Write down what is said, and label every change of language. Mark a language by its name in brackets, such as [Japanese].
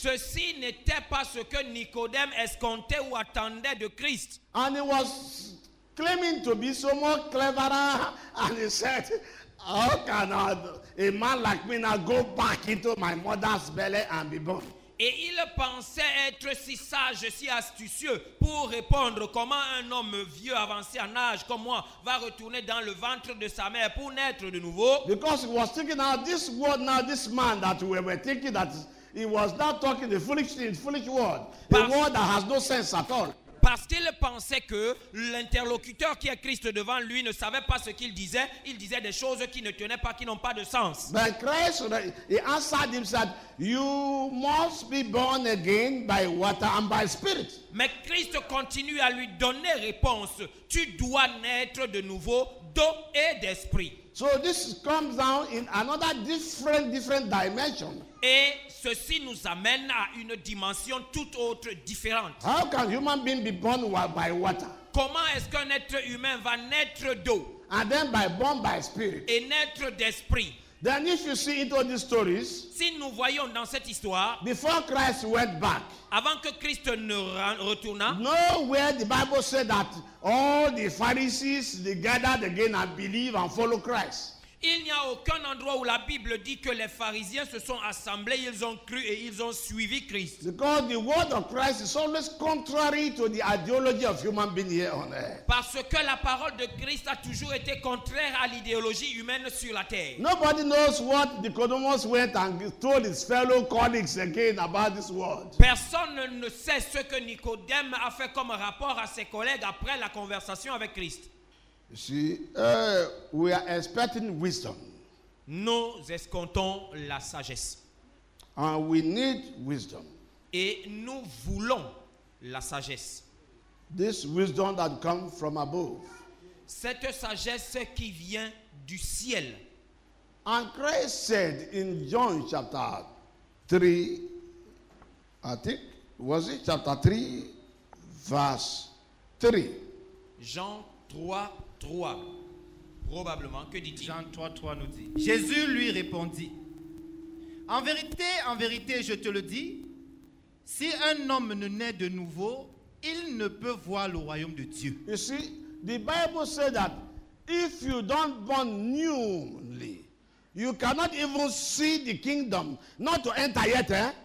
[French] Ceci n'était pas ce que Nicodème escomptait ou attendait de Christ. [English] And he was claiming to be so much cleverer, and he said, how can a man like me now go back into my mother's belly and be born? [French] Et il pensait être si sage, si astucieux pour répondre comment un homme vieux, avancé en âge comme moi va retourner dans le ventre de sa mère pour naître de nouveau. [English] Because he was thinking now this word, now this man that we were thinking that he was not talking the foolish word, a word that has no sense at all. [French] Parce qu'il pensait que l'interlocuteur qui est Christ devant lui ne savait pas ce qu'il disait. Il disait des choses qui ne tenaient pas, qui n'ont pas de sens. [English] But Christ, he answered him, said, you must be born again by water and by spirit. [French] Mais Christ continue à lui donner réponse. Tu dois naître de nouveau d'eau et d'esprit. [English] So this comes down in another different dimension. [French] Et ceci nous amène à une dimension tout autre, différente. [English] How can human being be born by water? [French] Comment est-ce qu'un être humain va naître d'eau? [English] And then born by spirit. [French] Et naître d'esprit. [English] Then if you see into these stories, [French] si nous voyons dans cette histoire, [English] before Christ went back, [French] avant que Christ ne retourna, [English] nowhere the Bible said that all the Pharisees they gathered again and believe and follow Christ. [French] Il n'y a aucun endroit où la Bible dit que les pharisiens se sont assemblés, ils ont cru et ils ont suivi Christ. [English] Because the word of Christ is always contrary to the ideology of human beings here on earth. [French] Parce que la parole de Christ a toujours été contraire à l'idéologie humaine sur la terre. [English] Nobody knows what Nicodemus went and told his fellow colleagues again about this word. [French] Personne ne sait ce que Nicodème a fait comme rapport à ses collègues après la conversation avec Christ. [English] See, we are expecting wisdom. [French] Nous escomptons la sagesse. [English] And we need wisdom. [French] Et nous voulons la sagesse. [English] This wisdom that comes from above. [French] Cette sagesse qui vient du ciel. [English] And Christ said in John chapter 3, chapter 3, verse 3. [French] Jean 3, probablement, que dit-il? Jean 3 nous dit, Jésus lui répondit, en vérité, je te le dis, si un homme ne naît de nouveau, il ne peut voir le royaume de Dieu. [English] You see, the Bible says that if you don't born newly, you cannot even see the kingdom, not to enter yet, eh?